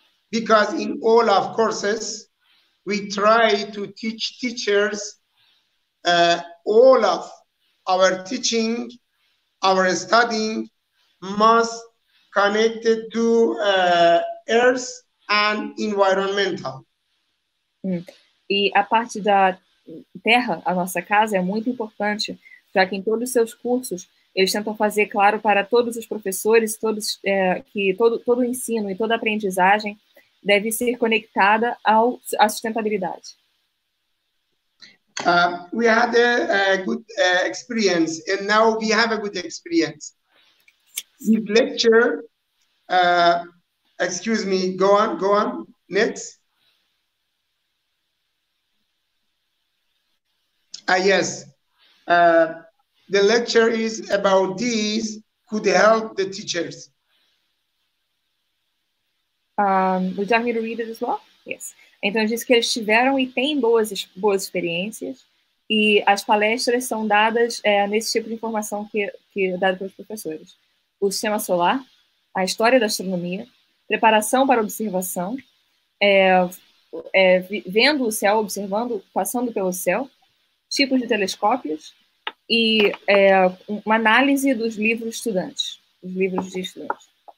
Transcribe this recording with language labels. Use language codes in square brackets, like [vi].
[en] Because in all of courses, we try to teach teachers all of our teaching, our studying must connected to earth and environmental. [pt] E a parte da terra, a nossa casa, é muito importante, já que em todos os seus cursos, eles tentam fazer claro para todos os professores, todos que todo o ensino e toda a aprendizagem deve ser conectada à sustentabilidade. [en] We had a good experience, and now we have a good experience. The lecture, excuse me, go on, next. Yes, the lecture is about these could help the teachers. Would you like me to read it as well? Yes. [pt] Então, diz que eles tiveram e têm boas experiências, e as palestras são dadas nesse tipo de informação que é dada pelos professores. O sistema solar, a história da astronomia, preparação para observação, vendo o céu, observando, passando pelo céu, tipos de telescópios e uma análise dos livros estudantes, os livros de estudantes.